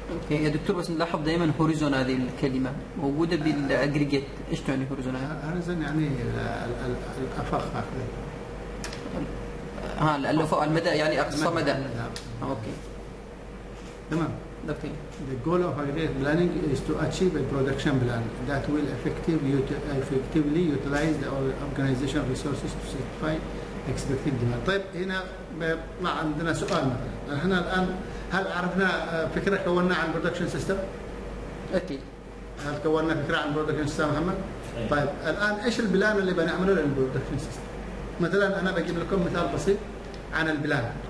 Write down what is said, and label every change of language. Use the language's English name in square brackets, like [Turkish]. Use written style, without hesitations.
[Arabic] يا دكتور بس نلاحظ دائما هوريزون هذه الكلمه موجوده بالاجريجيت ايش تعني هوريزون هوريزون يعني الافق ها الافق المدى يعني اقصى مدى اوكي تمام دكتور [English] the goal of aggregate planning is to achieve a production plan that will effectively utilize the organization resources to satisfy expected demand. [Arabic] طيب هنا ما عندنا سؤال مثلا احنا الان هل عرفنا فكرة كوننا عن production system؟ أكيد. هل كوننا فكرة عن production system محمد؟ طيب الآن إيش البلان اللي بنعمله للproduction system؟ مثلاً أنا بجيب لكم مثال بسيط عن البلان.